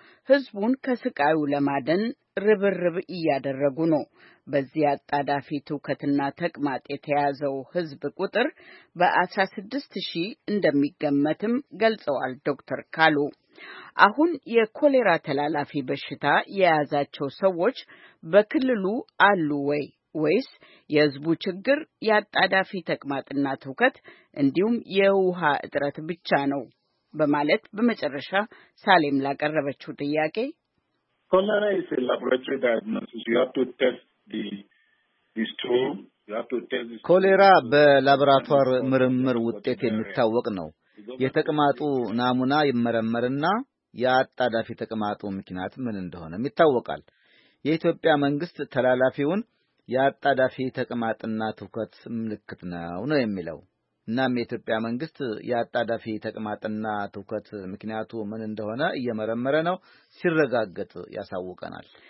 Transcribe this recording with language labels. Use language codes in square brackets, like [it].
[am] ህዝቡን ከስቃዩ ለማዳን ርብርብ እያደረጉ ነው። በዚህ አጣዳፊ ትውከትና ተቅማጥ የተያዘው ህዝብ ቁጥር በ16000 እንደሚገመትም ገልጸዋል ዶክተር ካሉ። አሁን የኮሌራ ተላላፊ በሽታ የያዛቸው ሰዎች በክልሉ አሉ ወይ? ወይስ የህዝቡ ችግር ያጣዳፊ ተቅማጥና ትውከት እንዲሁም የውሃ እጥረት ብቻ ነው? በማለት በመጨረሻ ሳሌም ላቀረበችው ጥያቄ [en] ኮሌራ is a laboratory diagnosis. You have to test the stool. You have to test the [am] ኮሌራ በላብራቶሪ ምርምር ውጤት የሚታወቅ ነው። የተቅማጡ ናሙና ይመረመርና ያጣዳፊ ተቅማጡ ምክንያት ምን እንደሆነም ይታወቃል። የኢትዮጵያ መንግስት ተላላፊውን ያጣዳፊ ተቅማጥና ትውከት ምልክት ነው የሚለው። እናም የኢትዮጵያ መንግስት ያጣዳፊ ተቅማጥና ትውከት ምክንያቱ ምን እንደሆነ እየመረመረ ነው፣ ሲረጋገጥ ያሳውቀናል።